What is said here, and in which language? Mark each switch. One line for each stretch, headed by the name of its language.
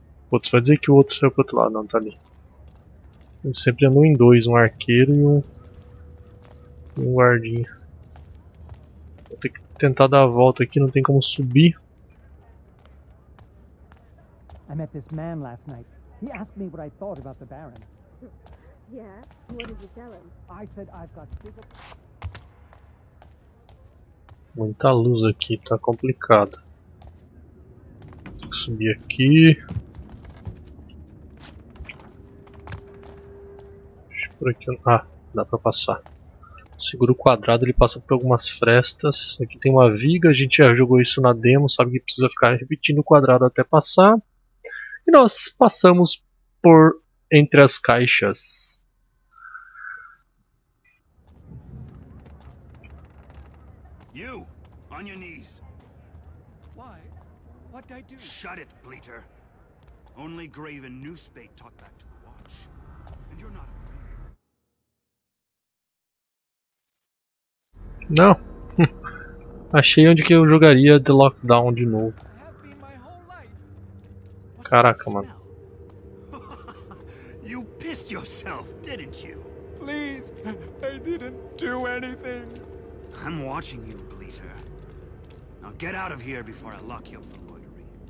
Portuguese: Putz, vai dizer que o outro saiu pro outro lado, não, tá ali. Eu sempre ando em dois, um arqueiro e um guardinha. Vou ter que tentar dar a volta aqui, não tem como subir.
English: I met this man last night. He asked me what I thought about the Baron. Yeah, what did you tell him? I said I've got physical...
Portuguese: Muita luz aqui, tá complicado. Tem que subir aqui. Por aqui, ah, dá pra passar. Segura o quadrado, ele passa por algumas frestas. Aqui tem uma viga, a gente já jogou isso na demo, sabe que precisa ficar repetindo o quadrado até passar. E nós passamos por entre as caixas.
English: You, on your knees. Why? What did I do? Shut it, Bleater. Only Grave and Newspate talk back to the watch. And you're not.
Portuguese: Não, achei onde que eu jogaria The Lockdown de novo. Caraca, mano.
English: You pissed yourself, didn't you? Please, I didn't do anything. I'm watching you, Bleater. Now get out of here before I lock you up for loitering.